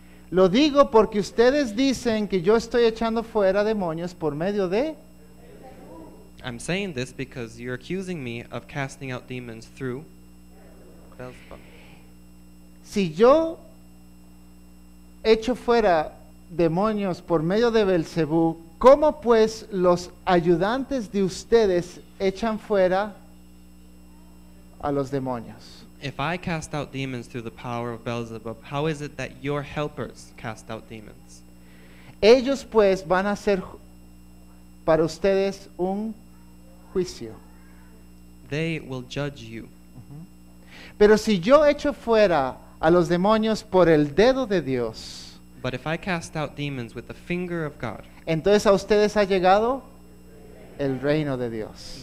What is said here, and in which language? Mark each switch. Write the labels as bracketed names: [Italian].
[Spanish] Lo digo porque ustedes dicen que yo estoy echando fuera demonios por medio de. [English] I'm saying this because you're accusing me of casting out demons through. [Spanish] Si yo echo fuera demonios por medio de Belcebú, ¿cómo pues los ayudantes de ustedes echan fuera a los demonios? [English] If I cast out demons through the power of Beelzebub, how is it that your helpers cast out demons? [Spanish] Ellos pues van a ser para ustedes un juicio. [English] They will judge you. [Spanish] Pero si yo echo fuera a los demonios por el dedo de Dios, [English] but if I cast out demons with the finger of God, [Spanish] entonces a ustedes ha llegado el reino de Dios.